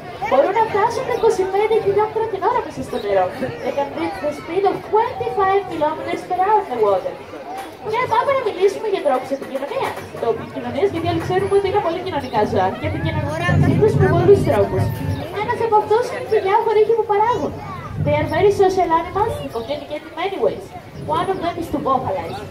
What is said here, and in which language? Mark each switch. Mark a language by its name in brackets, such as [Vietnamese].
[Greek] Μπορούν να φτάσουν 25 χιλιόμετρα την ώρα μέσα στο νερό. [English] They can reach the speed of 25 kilometers per hour in the water. [Greek] Και πάμε να μιλήσουμε για τρόπους επικοινωνίας. Τρόπους επικοινωνίας, γιατί όλοι ξέρουμε ότι είναι πολύ κοινωνικά ζώα. Και επικοινωνούν μαζί τους με πολλούς τρόπους. Ένας από αυτούς είναι οι διάφοροι ήχοι που παράγουν. [English] They are very social animals, they communicate in many ways. One of them is to vocalize.